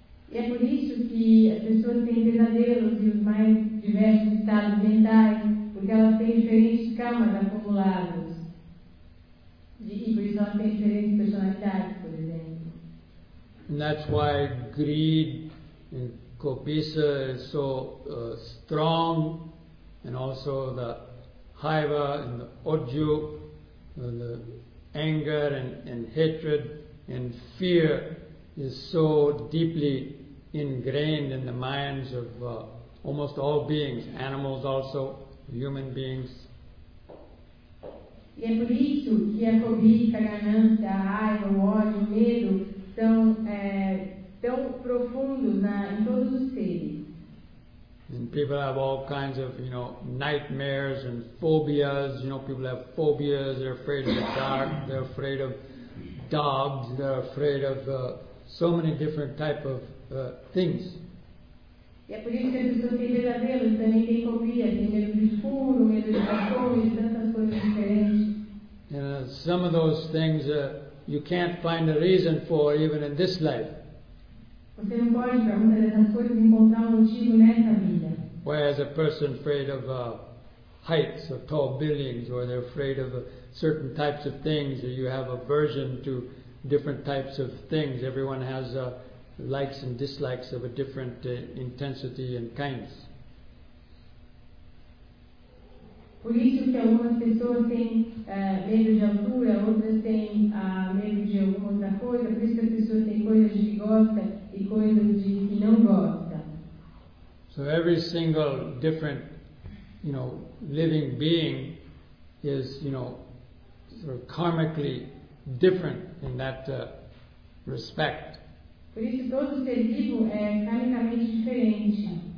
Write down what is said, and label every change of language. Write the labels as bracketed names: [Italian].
[Portuguese] E é por isso que as pessoas têm pesadelos e os mais diversos estados mentais, porque elas têm diferentes camas acumuladas. E por isso elas têm diferentes personalidades, por exemplo. [English] And that's why greed and cobiça is so strong, and also the haiva and the odju, the anger and hatred and fear is so deeply ingrained in the minds of almost all beings, animals also, human beings. [Portuguese] E é por isso que a cobiça, a ganância, a raiva, o ódio, o medo são tão profundos em todos os seres. [English] And people have all kinds of, you know, nightmares and phobias. You know, people have phobias. They're afraid of the dark. They're afraid of dogs. They're afraid of so many different type of things. [Portuguese] E é por isso que as pessoas têm pesadelos, também têm fobia, têm medo do escuro, medo de cachorros, tantas coisas diferentes. [English] And some of those things you can't find a reason for even in this life. [Portuguese] Você não pode, para muitas dessas coisas, encontrar motivo nessa vida. [English] Whereas a person afraid of heights or tall buildings, or they're afraid of certain types of things, or you have aversion to different types of things. Everyone has a likes and dislikes of a different intensity and kinds. [Portuguese] Por isso que algumas pessoas têm medo de altura, outras têm medo de alguma outra coisa, por isso que as pessoas têm coisas que gostam e coisas que não gostam. [English] So every single different, you know, living being is, you know, sort of karmically different in that respect. [Portuguese] Por isso, todo ser vivo é karmicamente diferente.